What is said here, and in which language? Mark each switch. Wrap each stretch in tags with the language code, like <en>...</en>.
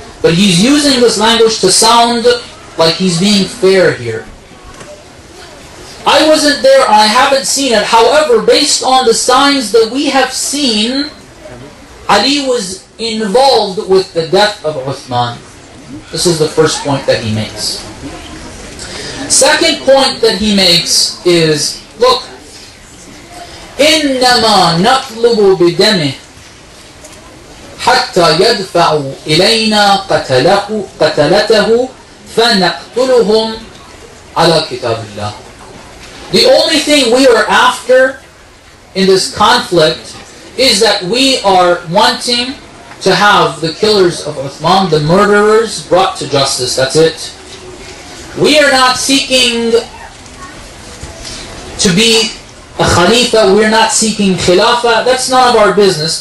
<en>But he's using this language to sound like he's being fair here. I wasn't there, I haven't seen it. However, based on the signs that we have seen, Ali was involved with the death of Uthman. This is the first point that he makes. Second point that he makes is, look,</en> <ar>إِنَّمَا نَطْلُبُ بِدَمِهِ حَتَّى يَدْفَعُوا إِلَيْنَا قَتَلَتَهُ فَنَقْتُلُهُمْ عَلَى كِتَابِ اللَّهِ.</ar> <en>The only thing we are after in this conflict is that we are wanting to have the killers of Uthman, the murderers, brought to justice. That's it. We are not seeking to be a khalifa, we're not seeking khilafa, that's none of our business.</en>